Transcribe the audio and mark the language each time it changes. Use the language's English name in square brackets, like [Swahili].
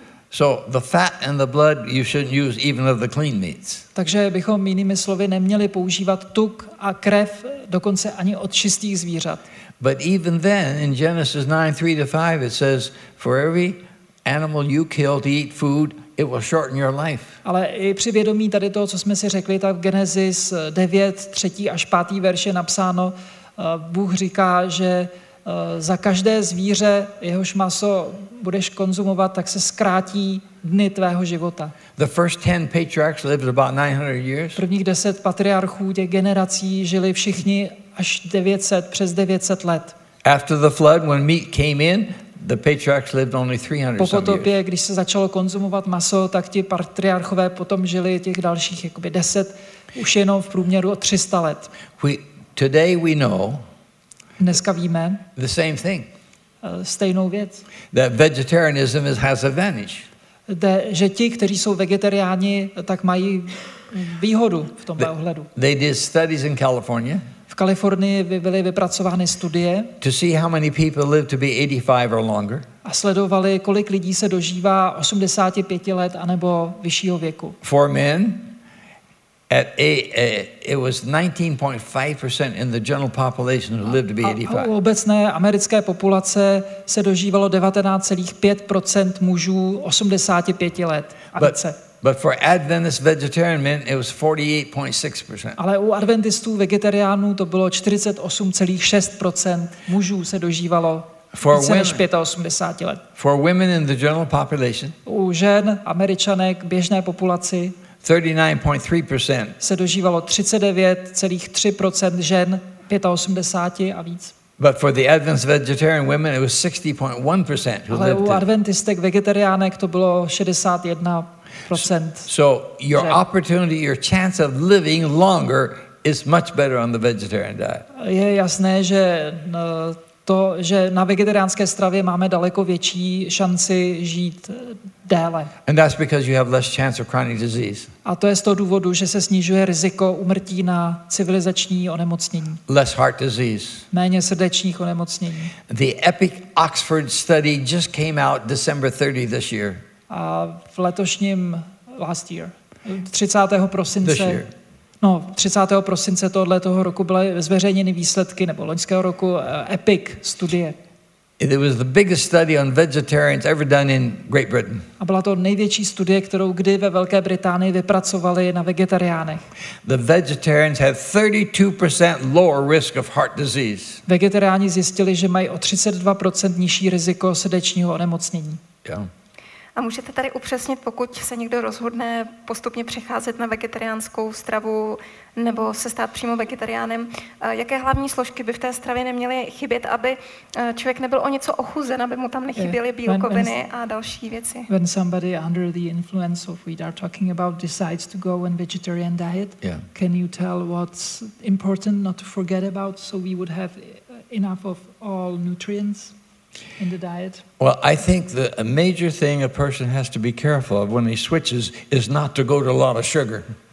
[English] So the fat and the blood you shouldn't use even of the clean meats. [Czech] Takže bychom jinými slovy neměli používat tuk a krev dokonce ani od čistých zvířat. [English] But even then in Genesis 9:3-5 it says for every animal you kill to eat food it will shorten your life. [Czech] Ale i při vědomí tady toho, co jsme si řekli, tak v Genesis 9:3-5 verš je napsáno, Bůh říká, že za každé zvíře, jehož maso budeš konzumovat, tak se zkrátí dny tvého života. [English] The first 10 patriarchs lived about 900 years. [Czech] Prvních 10 patriarchů těch generací žili všichni až 900, přes 900 let. [English] After the flood, when meat came in, the patriarchs lived only 300 years. [Czech] Po potopě, když se začalo konzumovat maso, tak ti patriarchové potom žili těch dalších jakoby 10, už jenom v průměru o 300 let. [English] Today we know. [Czech] Dneska víme. [English] The same thing. [Czech] Stejnou věc. [English] That vegetarianism has advantage. [Czech] Že ti, kteří jsou vegetariáni, tak mají výhodu v tomto ohledu. [English] They did studies in California. [Czech] V Kalifornii byly vypracovány studie. [English] To see how many people live to be 85 or longer. [Czech] A sledovali, kolik lidí se dožívá 85 let anebo vyššího věku. [English] For men, it was 19.5% in the general population who lived to be 85. [Czech] A u obecné americké populace se dožívalo 19.5% mužů 85 let a více. [English] But for Adventist vegetarian men it was 48.6%. [Czech] Ale u adventistů vegetariánů to bylo 48.6% mužů se dožívalo více než 85 let. [English] For women in the general population. U žen, Američanek, běžné populaci 39.3% [Czech] se dožívalo 39,3% žen 85 a víc. [English] But for the Adventist vegetarian women, it was 60.1% who lived. [Czech] Ale u adventistek vegetariánek to bylo 61%. [English] So your opportunity, your chance of living longer is much better on the vegetarian diet. [Czech] Je jasné, že to, že na vegetariánské stravě máme daleko větší šanci žít déle. [English] And that's because you have less chance of chronic disease. [Czech] A to je z toho důvodu, že se snižuje riziko úmrtí na civilizační onemocnění. [English] Less heart disease. [Czech] Méně srdečních onemocnění. [English] The Epic Oxford study just came out December 30 this year. [Czech] A v letošním [English] last year. [Czech] 30. prosince. [English] This year. [Czech] No, 30. prosince tohoto roku byly zveřejněny výsledky nebo loňského roku Epic studie. [English] It was the biggest study on vegetarians ever done in Great Britain. [Czech] A byla to největší studie, kterou kdy ve Velké Británii vypracovali na vegetariánech. [English] The vegetarians had 32% lower risk of heart disease. [Czech] Vegetariáni zjistili, že mají o 32% nižší riziko srdečního onemocnění. [English] Yeah. [Czech] A můžete tady upřesnit, pokud se někdo rozhodne postupně přecházet na vegetariánskou stravu nebo se stát přímo vegetariánem, jaké hlavní složky by v té stravě neměly chybět, aby člověk nebyl o něco ochuzen, aby mu tam nechyběly bílkoviny a další věci? [English] When somebody under the influence of what we are talking about decides to go on vegetarian diet, can you tell what's important not to forget about so we would have enough of all nutrients? In the diet. Well, I think the a major thing a person has to be careful of when he switches is not to go to a lot of sugar.